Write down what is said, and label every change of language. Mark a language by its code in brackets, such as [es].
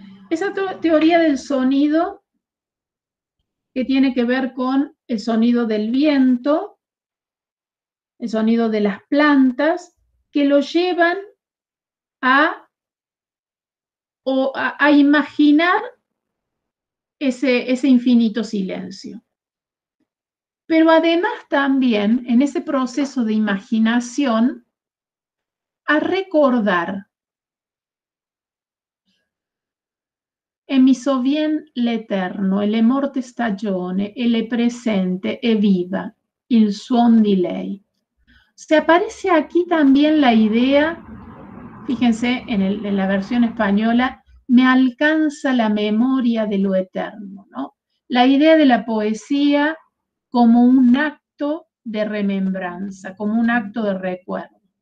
[es] Esa teoría del sonido que tiene que ver con el sonido del viento, el sonido de las plantas, que lo llevan a imaginar ese infinito silencio. Pero además también, en ese proceso de imaginación, a recordar. [it] E mi sovien l'eterno, e le morte stagione, e le presente, e viva, il suon di lei. [es] Se aparece aquí también la idea, fíjense en la versión española, me alcanza la memoria de lo eterno, ¿no? La idea de la poesía como un acto de remembranza, como un acto de recuerdo.